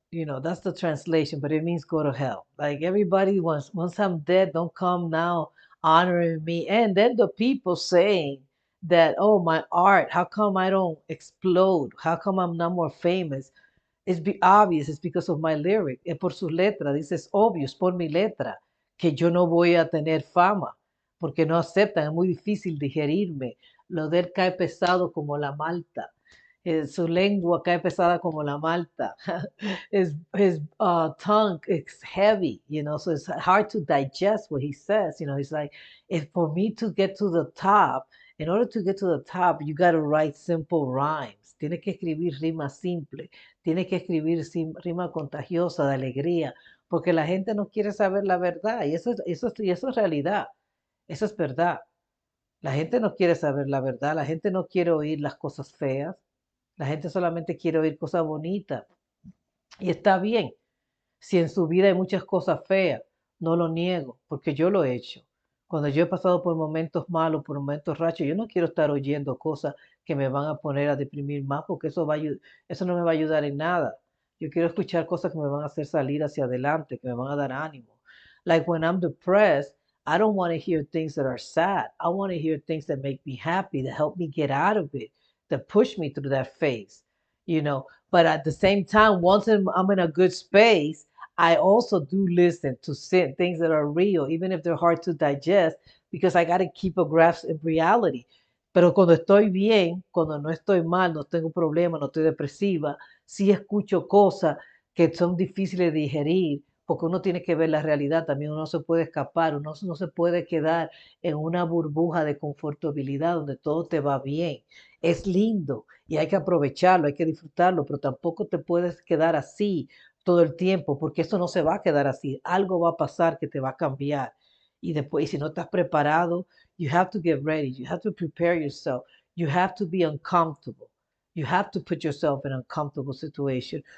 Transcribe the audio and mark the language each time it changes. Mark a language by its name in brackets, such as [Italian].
[English] You know, that's the translation, but it means go to hell. Like everybody wants, once I'm dead, don't come now honoring me. And then the people saying that, oh, my art, how come I don't explode? How come I'm not more famous? It's obvious, it's because of my lyric. [Spanish] Es por su letra, dice, es obvio, es por mi letra, que yo no voy a tener fama, porque no aceptan, es muy difícil digerirme. Lo de él cae pesado como la malta. Su lengua cae pesada como la malta. [English] His tongue is heavy, you know, so it's hard to digest what he says. You know, he's like, if for me to get to the top, in order to get to the top, you got to write simple rhymes. [Spanish] Tiene que escribir rimas simples. Tiene que escribir rima contagiosa de alegría, porque la gente no quiere saber la verdad. Y eso es realidad. Eso es verdad. La gente no quiere saber la verdad. La gente no quiere oír las cosas feas. La gente solamente quiere oír cosas bonitas. Y está bien. Si en su vida hay muchas cosas feas, no lo niego, porque yo lo he hecho. Cuando yo he pasado por momentos malos, por momentos rachos, yo no quiero estar oyendo cosas que me van a poner a deprimir más, porque eso no me va a ayudar en nada. Yo quiero escuchar cosas que me van a hacer salir hacia adelante, que me van a dar ánimo. [English] Like when I'm depressed, I don't want to hear things that are sad. I want to hear things that make me happy, that help me get out of it, that push me through that phase, you know. But at the same time, once I'm in a good space, I also do listen to things that are real, even if they're hard to digest, because I got to keep a grasp of reality. [Spanish] Pero cuando estoy bien, cuando no estoy mal, no tengo problema, no estoy depresiva, sí escucho cosas que son difíciles de digerir, porque uno tiene que ver la realidad, también uno se puede escapar, uno no se puede quedar en una burbuja de confortabilidad donde todo te va bien. Es lindo y hay que aprovecharlo, hay que disfrutarlo, pero tampoco te puedes quedar así todo el tiempo, porque eso no se va a quedar así. Algo va a pasar que te va a cambiar. Y después, y si no estás preparado, [English] you have to get ready, you have to prepare yourself, you have to be uncomfortable. You have to put yourself in an uncomfortable situation.